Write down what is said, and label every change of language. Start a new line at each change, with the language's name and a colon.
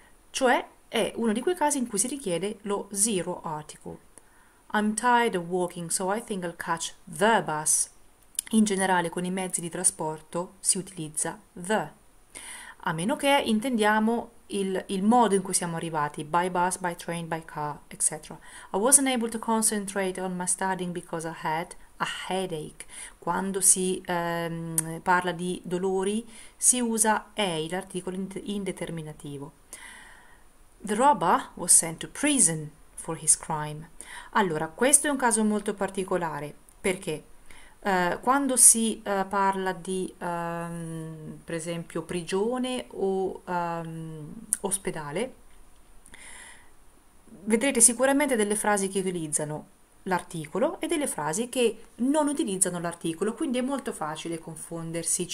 Italian: Cioè è uno di quei casi in cui si richiede lo zero article.
English: I'm tired of walking, so I think I'll catch the bus.
Italian: In generale, con i mezzi di trasporto si utilizza the. A meno che intendiamo il modo in cui siamo arrivati,
English: by bus, by train, by car,
Italian: etc.
English: I wasn't able to concentrate on my studying because I had a headache.
Italian: Quando si parla di dolori, si usa a, l'articolo indeterminativo.
English: The robber was sent to prison for his crime.
Italian: Allora, questo è un caso molto particolare, perché quando si parla di, per esempio, prigione o ospedale, vedrete sicuramente delle frasi che utilizzano l'articolo e delle frasi che non utilizzano l'articolo, quindi è molto facile confondersi.